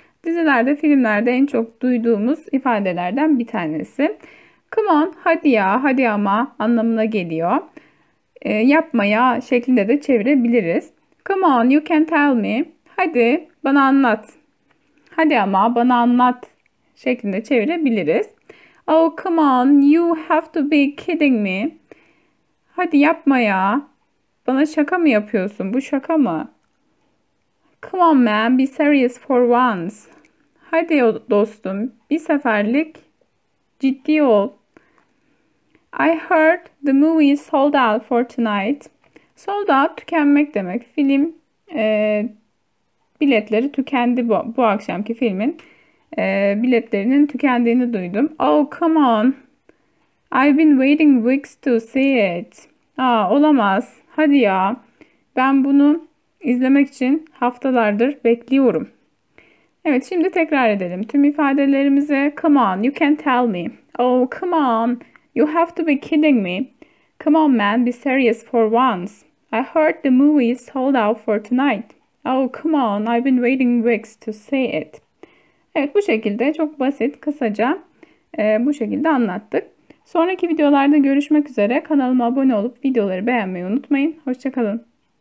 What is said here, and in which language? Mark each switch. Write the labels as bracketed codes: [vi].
[tr] Dizilerde, filmlerde en çok duyduğumuz ifadelerden bir tanesi. [en] Come on, [tr] hadi ya, hadi ama anlamına geliyor. Yapmaya şeklinde de çevirebiliriz. [en] Come on, you can tell me. [tr] Hadi, bana anlat. Hadi ama bana anlat şeklinde çevirebiliriz. [en] Oh, come on, you have to be kidding me. [tr] Hadi yapma ya. Bana şaka mı yapıyorsun? Bu şaka mı? [en] Come on man, be serious for once. [tr] Hadi dostum, bir seferlik ciddi ol. [en] I heard the movie sold out for tonight. Sold out [tr] tükenmek demek. Film biletleri tükendi bu akşamki filmin biletlerinin tükendiğini duydum. [en] Oh come on. I've been waiting weeks to see it. [tr] Aa, olamaz. Hadi ya. Ben bunu izlemek için haftalardır bekliyorum. Evet, şimdi tekrar edelim. Tüm ifadelerimize [en] come on, you can tell me. Oh, come on. You have to be kidding me. Come on man, be serious for once. I heard the movie sold out for tonight. Oh, come on. I've been waiting weeks to see it. [tr] Evet, bu şekilde çok basit, kısaca bu şekilde anlattık. Sonraki videolarda görüşmek üzere. Kanalıma abone olup videoları beğenmeyi unutmayın. Hoşça kalın.